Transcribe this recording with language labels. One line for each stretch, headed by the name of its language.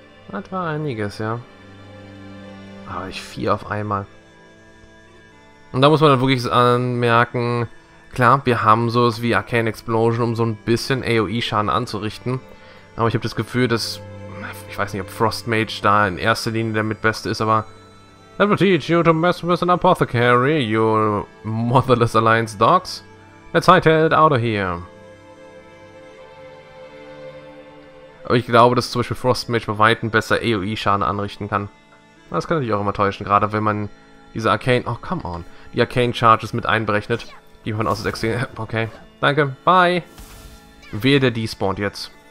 German: Das war einiges, ja. Aber ich 4 auf einmal. Und da muss man dann wirklich anmerken, klar, wir haben sowas wie Arcane Explosion, um so ein bisschen AOE-Schaden anzurichten. Aber ich habe das Gefühl, dass, ich weiß nicht, ob Frostmage da in erster Linie der Mitbeste ist, aber...
English: Let me teach you to mess with an apothecary, you motherless alliance dogs. Let's hightail it out of here.
German: Aber ich glaube, dass zum Beispiel Frostmage bei Weitem besser AOE-Schaden anrichten kann. Das kann natürlich auch immer täuschen, gerade wenn man diese Arcane...
English: Oh, come on.
German: Die Arcane-Charges mit einberechnet. Die von aus 6. Okay, danke. Bye. Wehe, der despawnt jetzt.